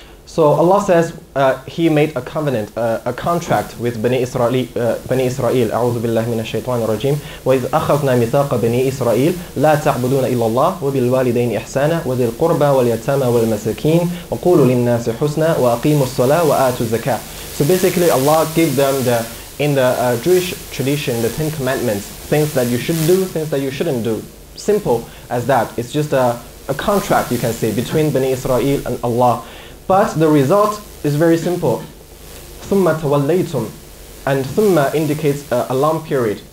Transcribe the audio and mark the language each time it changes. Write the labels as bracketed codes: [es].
[en] So Allah says He made a covenant, a contract with Bani Israel. [ar] أعوذ بالله من الشيطان الرجيم. وإذ أخذنا ميثاق بني إسرائيل لا تعبدون إلا الله وبالوالدين إحسانا وذي القربى واليتامى والمساكين وقولوا للناس حسنا وأقيموا الصلاة وآتوا الزكاة. [en] So basically Allah gave them the, in the Jewish tradition, the Ten Commandments, things that you should do, things that you shouldn't do. Simple as that. It's just a contract, you can say, between Bani Israel and Allah. But the result is very simple. [ar] ثُمَّ تَوَلَّيْتُمْ [en] And ثُمَّ indicates a long period.